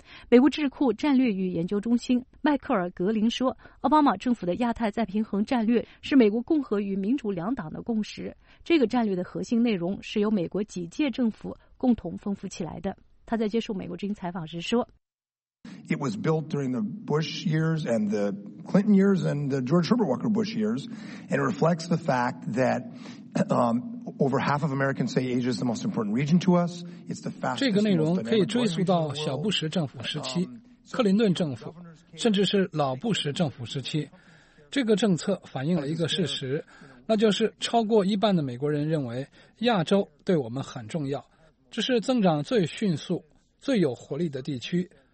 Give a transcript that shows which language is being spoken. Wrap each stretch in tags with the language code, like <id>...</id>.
<zh>美国智库战略与研究中心迈克尔·格林说，奥巴马政府的亚太再平衡战略是美国共和与民主两党的共识，这个战略的核心内容是由美国几届政府共同丰富起来的。他在接受美国之音采访时说，</zh> <en>It was built during the Bush years and the Clinton years and the George Herbert Walker Bush years, and it reflects the fact that over half of Americans say Asia is the most important region to us. It's the fastest.</en> <zh>这个内容可以追溯到小布什政府时期、克林顿政府，甚至是老布什政府时期。这个政策反映了一个事实，那就是超过一半的美国人认为亚洲对我们很重要，这是增长最迅速、最有活力的地区。</zh>